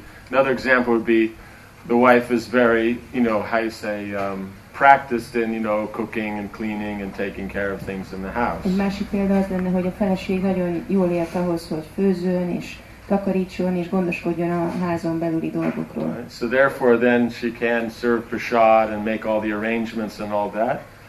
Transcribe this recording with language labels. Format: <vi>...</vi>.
<en>Another example would be the wife is very, you know, how you say, practiced in, you know, cooking and cleaning and taking care of things in the house.</en> <hu>Egy másik példa az lenne, hogy a feleség nagyon jól ért ahhoz, hogy főzőn és takarítson és gondoskodjon a házon belüli dolgokról.</hu> <en>Right? So therefore then she can serve prasad and make all the arrangements and all that.</en>